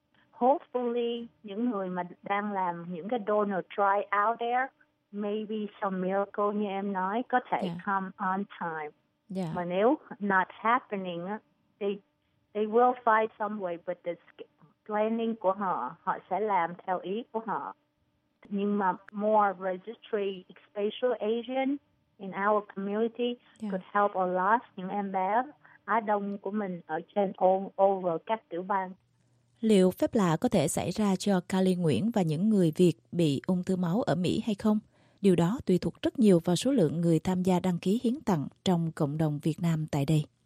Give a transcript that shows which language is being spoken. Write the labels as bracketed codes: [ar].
[en] Hopefully, [vi] những người mà đang làm những cái [en] donor try out there, maybe some miracle [vi] như em nói, có thể [en] come on time. Yeah. [vi] Mà nếu [en] not happening, they will find some way, but the planning [vi] của họ, họ sẽ làm theo ý của họ. Nhưng mà [en] more registry, special Asian in our community could help a lot. [vi] Những em bé Á Đông của mình ở trên over các tiểu bang. Liệu phép lạ có thể xảy ra cho Carly Nguyễn và những người Việt bị ung thư máu ở Mỹ hay không? Điều đó tùy thuộc rất nhiều vào số lượng người tham gia đăng ký hiến tặng trong cộng đồng Việt Nam tại đây.